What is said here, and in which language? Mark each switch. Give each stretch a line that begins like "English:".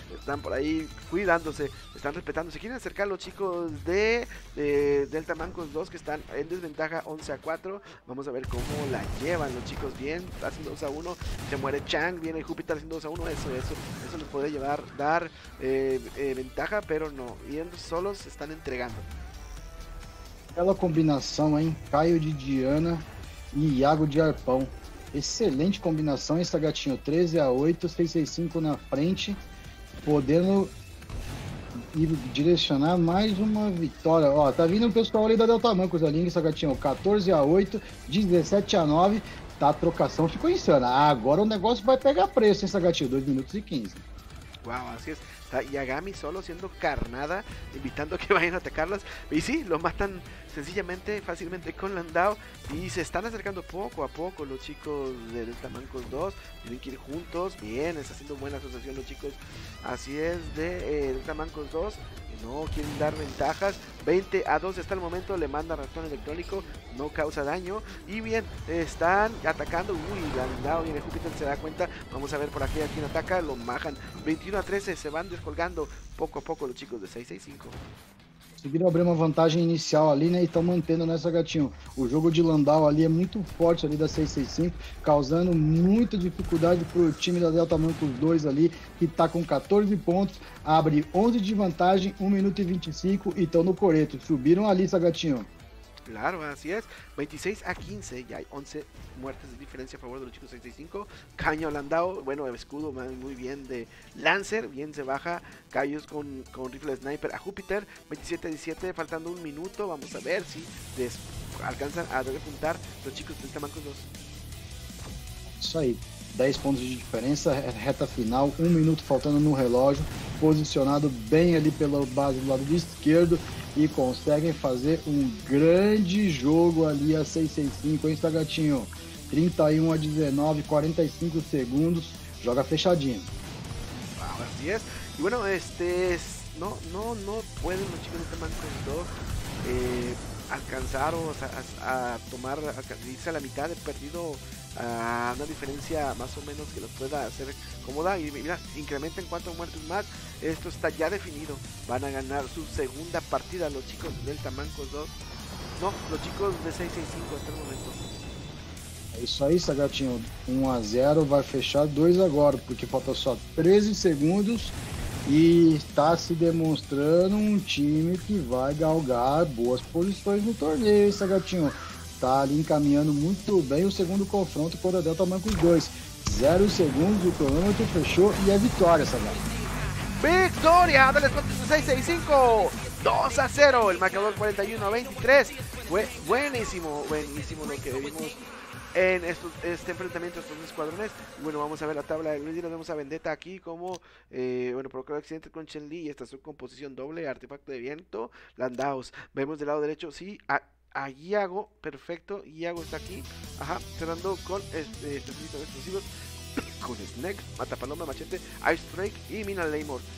Spanish: Están por ahí cuidándose. Están respetando. Se quieren acercar los chicos de Delta Mancos 2 que están en desventaja 11-4. Vamos a ver cómo la llevan los chicos. Bien, haciendo 2-1. Se muere Chang. Viene Júpiter haciendo 2-1. Eso nos puede llevar, dar ventaja, pero no. Bien, solos.
Portuguese: Estão entregando. Aquela combinação, hein? Caio de Diana e Iago de Arpão. Excelente combinação, hein, Sagatinho? 13-8, 665 na frente, podendo ir direcionar mais uma vitória. Ó, tá vindo o pessoal ali da Delta Mancos ali, hein, Sagatinho? 14-8, 17-9, tá a trocação, ficou insana. Ah, agora o negócio vai pegar preço, hein, Sagatinho? 2 minutos e 15. Uau, assim é.
Spanish: O sea, Yagami solo siendo carnada, invitando a que vayan a atacarlas. Y sí, lo matan sencillamente, fácilmente con Landau. Y se están acercando poco a poco los chicos de Delta Mancos 2. Tienen que ir juntos. Bien, está haciendo buena asociación los chicos. Así es, de Delta Mancos 2. No quieren dar ventajas. 20 a 12 hasta el momento. Le manda ratón electrónico. No causa daño. Y bien, están atacando. Uy, Landau y el Júpiter se da cuenta. Vamos a ver por aquí a quién ataca. Lo majan. 21 a 13. Se van descolgando poco a poco los chicos de 665.
Portuguese: Conseguiram abrir uma vantagem inicial ali, né? E estão mantendo nessa, gatinho. O jogo de Landau ali é muito forte ali da 665, causando muita dificuldade para o time da Delta Mancos 2 ali, que está com 14 pontos, abre 11 de vantagem, 1 minuto e 25 e estão no coreto. Subiram ali, sagatinho.
Spanish: Claro, así es, 26 a 15, ya hay 11 muertes de diferencia a favor de los chicos 65, Caño Landau, bueno, escudo muy bien de Lancer, bien se baja, Cayos con rifle sniper a Júpiter, 27 a 17, faltando un minuto, vamos a ver si alcanzan a repuntar los chicos 30 mancos 2.
Portuguese: Isso aí, 10 pontos de diferença, reta final, 1 minuto faltando no relógio, posicionado bem ali pela base do lado esquerdo, e conseguem fazer um grande jogo ali a 665, hein, Sagatinho? 31 a 19, 45 segundos, joga fechadinho.
Spanish: Ah, así es. E, bueno, no pueden los chicos de Mancos 2 alcanzar a tomar, irse a la mitad del partido a una diferencia más o menos que los pueda hacer cómoda. Y mira, incrementen 4 muertes más. Esto está ya definido. Van a ganar su segunda partida los chicos de Delta Mancos 2. No, los chicos de 665 hasta el momento.
Portuguese: É isso aí, Sagatinho. 1-0, vai fechar 2 agora, porque falta só 13 segundos e está se demonstrando um time que vai galgar boas posições no torneio, hein, Sagatinho? Está ali encaminhando muito bem o segundo confronto com a Delta Mancos 2. 0 segundos, o cronômetro fechou e é vitória, Sagatinho.
Spanish: Victoria de los Mancos 665, 2-0, el marcador 41-23, fue buenísimo, buenísimo lo que vimos en este enfrentamiento, estos dos escuadrones. Bueno, vamos a ver la tabla de Luigi, nos vemos a Vendetta aquí como, bueno, provocó el accidente con Chen Li, esta es su composición doble, artefacto de viento, Landau, vemos del lado derecho, sí, a Iago, perfecto, Iago está aquí, ajá, cerrando con este listo de explosivos, con Snake, Mata Paloma, Machete, Ice Strike y Mina Laymore.